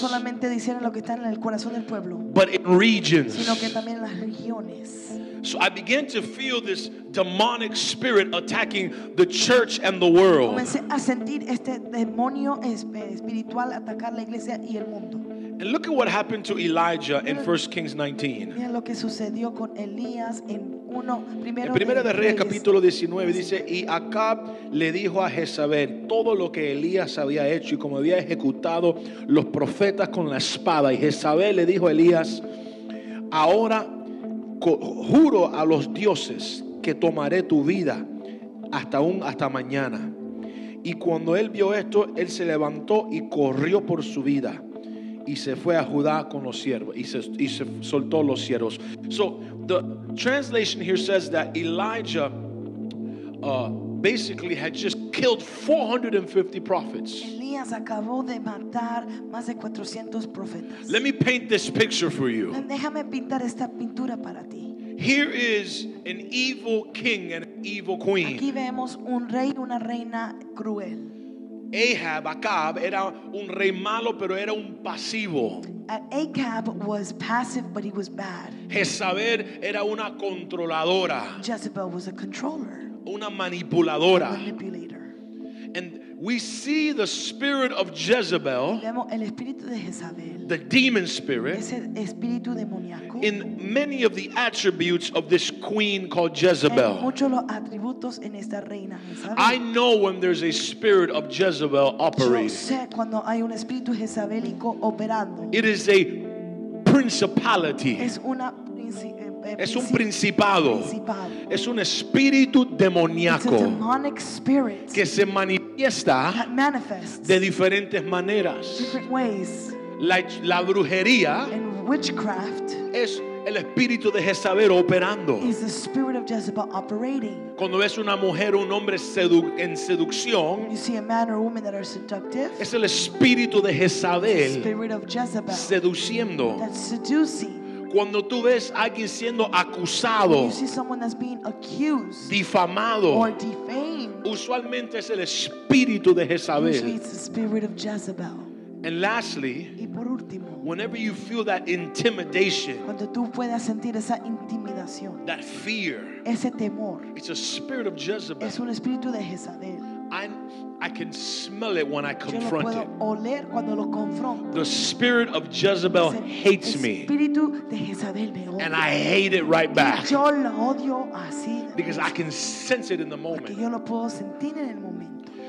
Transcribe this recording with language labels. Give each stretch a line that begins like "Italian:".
Spanish: no solamente discernen lo que está en el corazón del pueblo,
English: but in regions.
Spanish: Sino que también en las regiones.
English: So I began to feel this demonic spirit attacking the church and the world.
Spanish: Comencé a sentir este demonio espiritual atacar la iglesia y el mundo.
English: And look at what happened to Elijah in 1 Kings 19.
Spanish: Mira lo que sucedió con Elías en uno primero. En Primera de Reyes capítulo 19 dice, y Acab le dijo a Jezabel todo lo que Elías había hecho y cómo había ejecutado los profetas con la espada. Y Jezabel le dijo a Elías, ahora juro a los dioses que tomaré tu vida hasta mañana. Y cuando él vio esto, él se levantó y corrió por su vida y se fue a Judá con los siervos y se soltó los siervos.
English: So the translation here says that Elijah basically had just killed 450 prophets.
Spanish: Elías acabó de matar más de 400 profetas.
English: Let me paint this picture for you.
Spanish: Déjame pintar esta pintura para ti.
English: Here is an evil king and an evil queen.
Spanish: Aquí vemos un rey y una reina cruel. Ahab, Acab, era un rey malo, pero era un pasivo.
English: Ahab was passive, but he was bad.
Spanish: Jezabel era una controladora.
English: Jezebel was a controller.
Spanish: Una manipuladora.
English: A manipulator. And we see the spirit of Jezebel,
Spanish: vemos el espíritu de Jezabel,
English: the demon spirit,
Spanish: ese espíritu demoníaco,
English: in many of the attributes of this queen called Jezebel.
Spanish: En muchos los atributos en esta reina, Jezabel.
English: I know when there's a spirit of Jezebel operating.
Spanish: Yo sé cuando hay un espíritu jezabelico operando.
English: It is a principality.
Spanish: Es una es un principado. Principado. Es un espíritu demoníaco.
English: It's a demonic spirit
Spanish: que se manifiesta de diferentes maneras.
English: Different ways.
Spanish: La brujería
English: and witchcraft
Spanish: es el espíritu de Jezabel operando.
English: Is the spirit of Jezebel operating.
Spanish: Cuando ves una mujer o un hombre en seducción,
English: you see a man or woman that are seductive,
Spanish: es el espíritu de Jezabel,
English: the spirit of Jezebel
Spanish: seduciendo.
English: That's seducing.
Spanish: Cuando tú ves a alguien siendo acusado,
English: you see someone that's being accused,
Spanish: difamado,
English: or defamed,
Spanish: usualmente es el espíritu de Jezabel.
English: Usually it's the spirit of Jezebel. And lastly,
Spanish: y por último,
English: whenever you feel that intimidation,
Spanish: cuando tú puedas sentir esa intimidación,
English: that fear,
Spanish: ese temor,
English: it's a spirit of Jezebel.
Spanish: Es un espíritu de Jezabel.
English: I, I can smell it when I confront
Spanish: yo lo puedo oler cuando lo confronto.
English: The spirit of Jezebel hates me.
Spanish: Espíritu de Jezabel me odia.
English: And I hate it right back.
Spanish: Y yo lo odio así.
English: Because I can sense it in the moment.
Spanish: Porque yo lo puedo sentir en el momento.